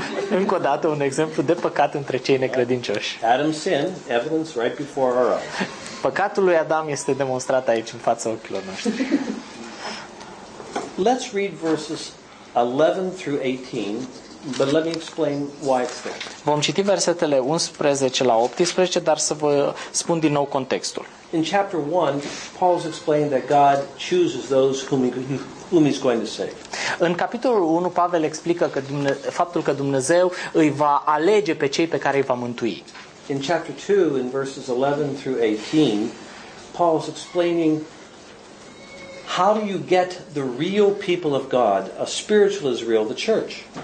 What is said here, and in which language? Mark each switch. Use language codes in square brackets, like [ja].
[ro] Încă o dată un exemplu de păcat între cei necredincioși. [en] Adam's sin, evidence right before our eyes. [ro] Păcatul lui Adam este demonstrat aici în fața ochilor noștri. [en] Let's read verses 11 through 18, but let me explain why it's there. [ro] Vom citi versetele 11 la 18, dar să vă spun din nou contextul. [en] In chapter 1, Paul's explained that God chooses those whom he is going to save. [ro] În capitolul 1, Pavel explică că faptul că Dumnezeu îi va alege pe cei pe care îi va mântui. [en] In chapter 2, in verses 11 through 18, Paul is explaining how do you get the real people of God, a spiritual Israel, the church.